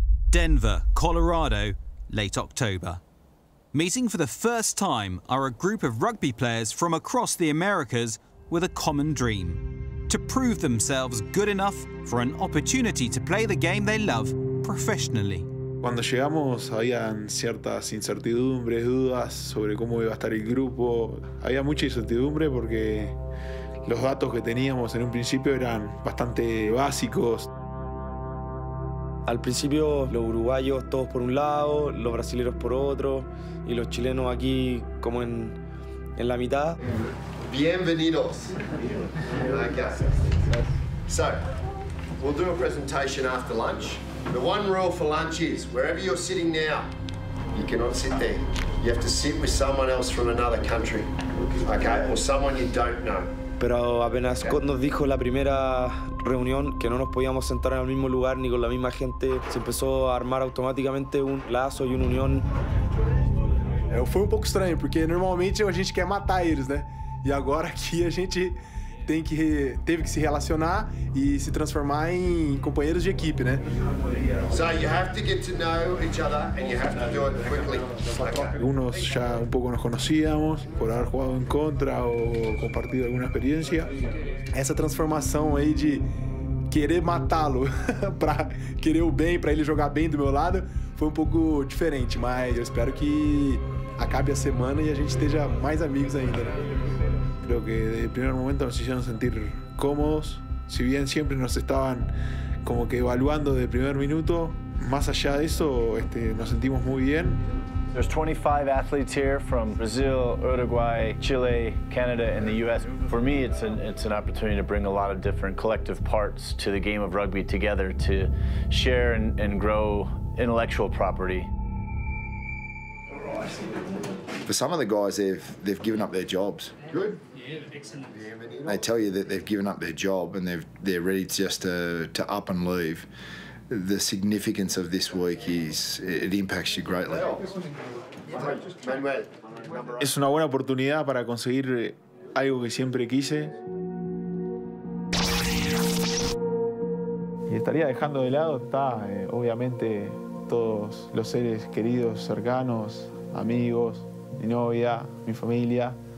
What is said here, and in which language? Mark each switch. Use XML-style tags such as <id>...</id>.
<en>Denver, Colorado, late October. Meeting for the first time are a group of rugby players from across the Americas with a common dream: to prove themselves good enough for an opportunity to play the game they love professionally.</en> <es>Cuando llegamos, habían ciertas incertidumbres, dudas sobre cómo iba a estar el grupo. Había mucha incertidumbre porque los datos que teníamos en un principio eran bastante básicos. Al principio, los uruguayos todos por un lado, los brasileños por otro, y los chilenos aquí como en la mitad. Bienvenidos. Gracias.</es> <en>So, we'll do a presentation after lunch. The one rule for lunch is, wherever you're sitting now, you cannot sit there. You have to sit with someone else from another country, okay? Or someone you don't know.</en> <es>Pero apenas Scott nos dijo la primera reunión que no nos podíamos sentar en el mismo lugar ni con la misma gente, se empezó a armar automáticamente un lazo y una unión. Fue un poco extraño porque normalmente</es> <pt>a gente quer matar eles, né?</pt> <es>Y ahora aquí</es> <pt>a gente teve que</pt> <es>se relacionar y se transformar en compañeros de</es> <pt>equipe, né?</pt> <en>So you have to get to know each other and you have to do it quickly.</en> <es>Algunos ya un poco nos conocíamos por haber jugado en contra o compartido alguna experiencia.</es> <pt>Essa transformação aí de querer matá-lo para querer o bem, para ele jogar bem do meu lado, foi um pouco diferente, mas eu espero que acabe a semana e a gente esteja mais amigos ainda, né?</pt> <es>Creo que desde el primer momento nos hicieron sentir cómodos. Si bien siempre nos estaban como que evaluando desde el primer minuto, más allá de eso, nos sentimos muy bien.</es> <en>There's 25 athletes here from Brazil, Uruguay, Chile, Canada, and the US. For me, it's an opportunity to bring a lot of different collective parts to the game of rugby together to share and grow intellectual property. For some of the guys, they've given up their jobs. Good. Excellent. They tell you that they've given up their job and they're ready just to up and leave. The significance of this week is it impacts you greatly.</en> <es>Es una buena oportunidad para conseguir algo que siempre quise. Y estaría dejando de lado obviamente todos los seres queridos, cercanos, amigos, mi novia, mi familia.</es>